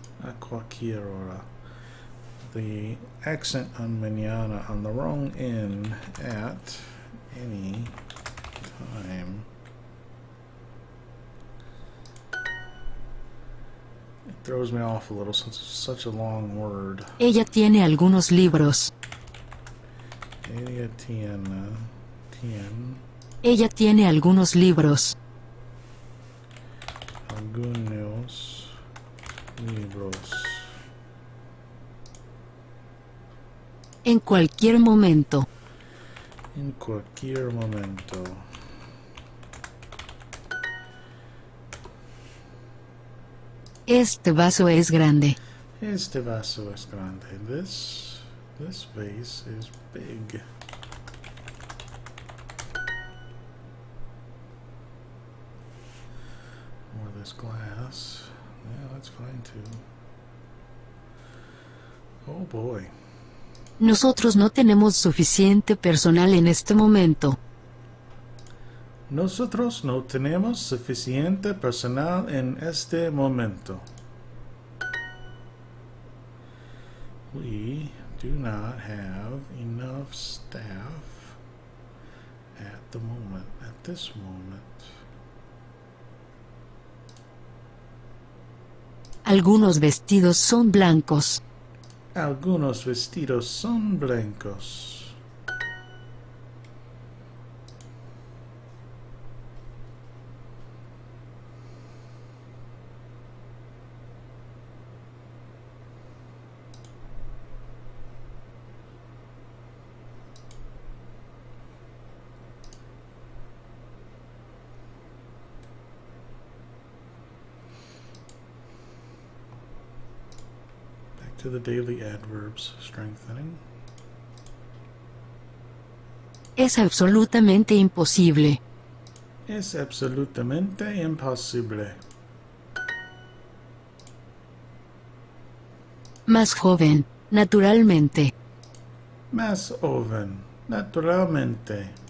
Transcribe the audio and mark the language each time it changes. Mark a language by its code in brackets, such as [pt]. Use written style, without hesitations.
[es] A cualquier hora. [en] The accent on mañana on the wrong end at any time. Throws me off a little since it's such a long word. [es] Ella tiene algunos libros. Ella tiene. Tiene. Ella tiene algunos libros. Algunos libros. En cualquier momento. En cualquier momento. Este vaso es grande. Este vaso es grande. [en] This vase is big. Or this glass. Yeah, that's fine too. Oh boy. [es] Nosotros no tenemos suficiente personal en este momento. Nosotros no tenemos suficiente personal en este momento. [en] We do not have enough staff at the moment, at this moment. [es] Algunos vestidos son blancos. Algunos vestidos son blancos. [en] To the daily adverbs strengthening. [es] Es absolutamente imposible. Es absolutamente imposible. Más joven, naturalmente. Más joven, naturalmente.